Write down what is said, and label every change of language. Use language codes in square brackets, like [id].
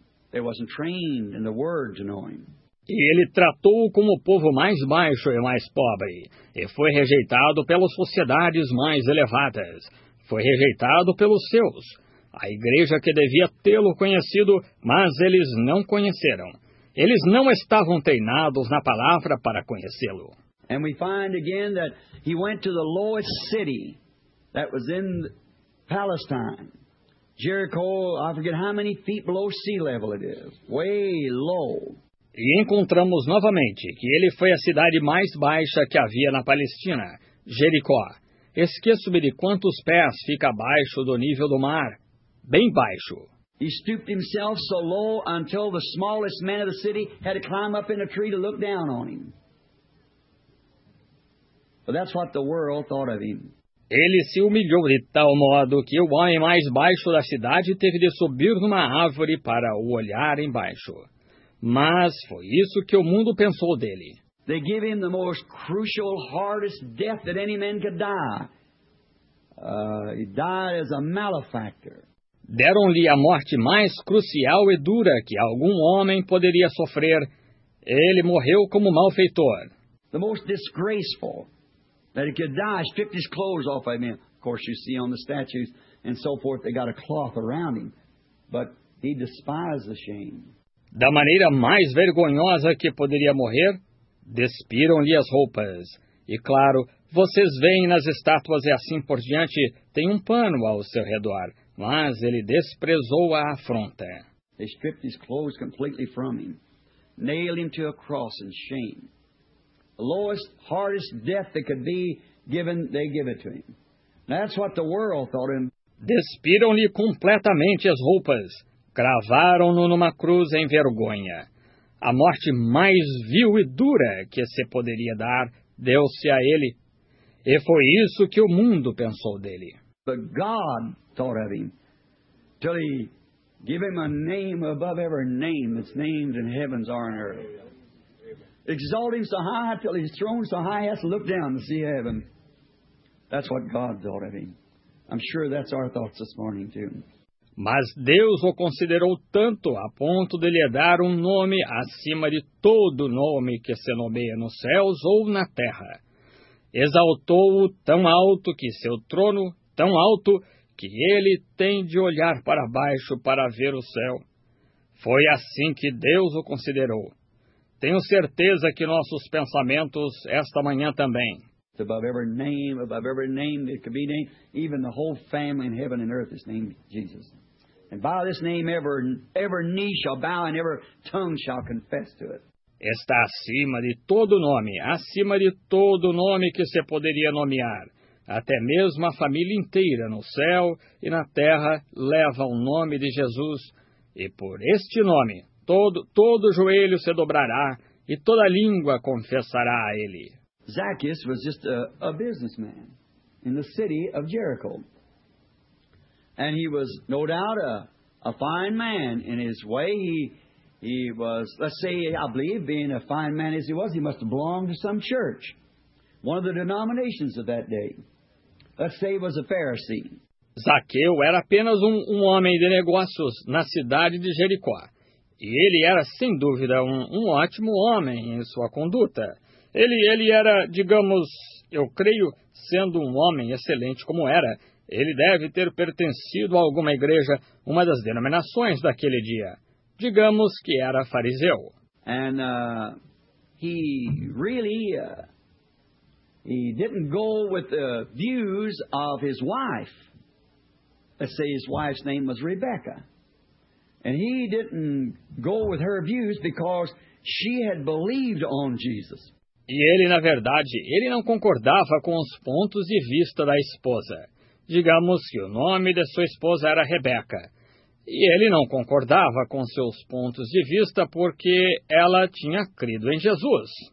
[en] They wasn't trained in the word to know him. [pt] E ele tratou como o povo mais baixo e mais pobre, e foi rejeitado pelas sociedades mais elevadas. Foi rejeitado pelos seus, a igreja que devia tê-lo conhecido, mas eles não conheceram. Eles não estavam treinados na palavra para conhecê-lo. [en] And we find again that he went to the lowest city that was in Palestine. Jericho, I forget how many feet below sea level it is. Way low. [pt] E encontramos novamente que ele foi a cidade mais baixa que havia na Palestina, Jericó. Esqueço-me de quantos pés fica abaixo do nível do mar. Bem baixo. [en] He stooped himself so low until the smallest man of the city had to climb up in a tree to look down on him. But that's what the world thought of him. [pt] Ele se humilhou de tal modo que o homem mais baixo da cidade teve de subir numa árvore para o olhar embaixo. Mas foi isso que o mundo pensou dele. [en] They gave him the most crucial, hardest death that any man could die. He died as a malefactor. [pt] Deram-lhe a morte mais crucial e dura que algum homem poderia sofrer. Ele morreu como malfeitor. [en] The most disgraceful. That he could die, stripped his clothes off of him. Of course, you see on the statues and so forth, they got a cloth around him. But he despised the shame. [pt] Da maneira mais vergonhosa que poderia morrer, despiram-lhe as roupas. E claro, vocês veem nas estátuas e assim por diante, tem um pano ao seu redor. Mas ele desprezou a afronta. [en] They stripped his clothes completely from him. Nailed him to a cross in shame. The lowest, hardest death that could be given, they give it to him. That's what the world thought of him. [pt] Despiram-lhe completamente as roupas. Cravaram-no numa cruz em vergonha. A morte mais vil e dura que se poderia dar, deu-se a ele. E foi isso que o mundo pensou dele. [en] But God thought of him. Till he gave him a name above every name that's named in heavens or on earth. Exalt him so high till his throne so high he has to look down to see heaven. That's what God thought of him. I'm sure that's our thoughts this morning too. [pt] Mas Deus o considerou tanto a ponto de lhe dar nome acima de todo nome que se nomeia nos céus ou na terra. Exaltou-o tão alto que seu trono, tão alto que ele tem de olhar para baixo para ver o céu. Foi assim que Deus o considerou. Tenho certeza que nossos pensamentos esta manhã também. [en] Above every name, there could be name, even the whole family in heaven and earth is named Jesus. And by this name, every knee shall bow and every tongue shall confess to it. [pt] Está acima de todo nome, acima de todo nome que se poderia nomear. Até mesmo a família inteira no céu e na terra leva o nome de Jesus. E por este nome, todo joelho se dobrará e toda língua confessará a ele. [en] Zacchaeus was just a businessman in the city of Jericho. And he was no doubt a fine man in his way. He was, let's say, I believe, being a fine man as he must have belonged to some church, one of the denominations of that day. Let's say he was a Pharisee. [pt] Zaqueu era apenas um homem de negócios na cidade de Jericó. E ele era, sem dúvida, um ótimo homem em sua conduta. Ele era, digamos, eu creio, sendo um homem excelente como era, ele deve ter pertencido a alguma igreja, uma das denominações daquele dia. Digamos que era fariseu. [en] And he really he didn't go with the views of his wife. Let's say his wife's name was Rebecca. And he didn't go with her views because she had believed on Jesus. [pt] E ele, na verdade, ele não concordava com os pontos de vista da esposa. Digamos que o nome de sua esposa era Rebeca. E ele não concordava com seus pontos de vista porque ela tinha crido em Jesus.